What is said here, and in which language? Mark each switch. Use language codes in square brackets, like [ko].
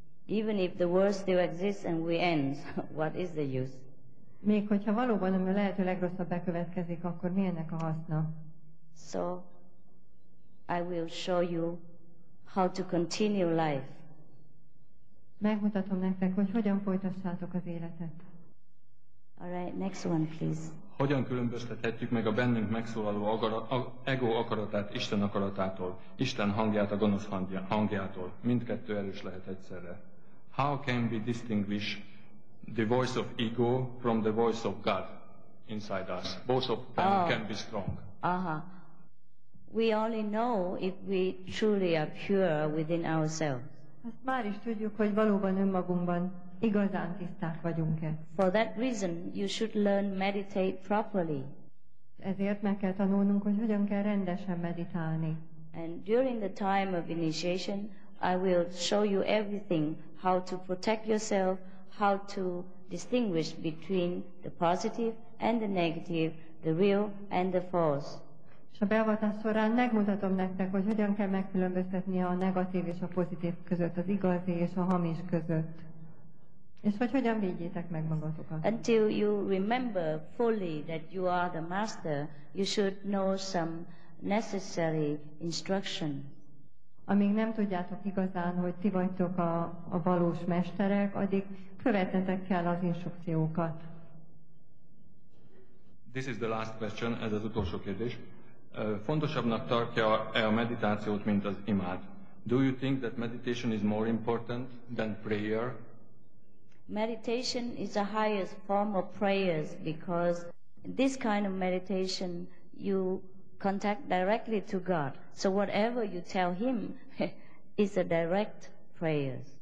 [en] Even if the world still exists and we end, what is the use? [hu] Még hogyha valóban a lehető legrosszabb bekövetkezik, akkor mi ennek a haszna? [en] So, I will show you how to continue life. [hu] Megmutatom nektek, hogy hogyan folytassátok az életet. [en] All right, next one, please. [hu] Hogyan különböztethetjük meg a bennünk megszólaló ego akaratát Isten akaratától, Isten hangját a gonosz hangjától? Mindkettő erős lehet egyszerre. [en] How can we distinguish the voice of ego from the voice of God inside us? Both of them can be strong. We only know if we truly are pure within ourselves. [hu] Azt már is tudjuk, hogy valóban önmagunkban igazán tiszták vagyunk-e. [en] For that reason, you should learn meditate properly. [hu] Ezért meg kell tanulnunk, hogy hogyan kell rendesen meditálni. [en] And during the time of initiation, I will show you everything, how to protect yourself, how to distinguish between the positive and the negative, the real and the false. [hu] A beavatás során megmutatom nektek, hogy hogyan kell megkülönböztetni a negatív és a pozitív között, az igazi és a hamis között. És hogy hogyan védjétek meg magatokat. [en] Until you remember fully that you are the master, you should know some necessary instruction. [hu] Amíg nem tudjátok igazán, hogy ti vagytok a valós mesterek, addig követnetek kell az instrukciókat. [en] This is the last question, [hu] ez az utolsó kérdés. Fontosabbnak tartja-e a meditációt, mint az imád? [en] Do you think that meditation is more important than prayer? Meditation is the highest form of prayers because this kind of meditation you contact directly to God. So whatever you tell Him is a direct prayer.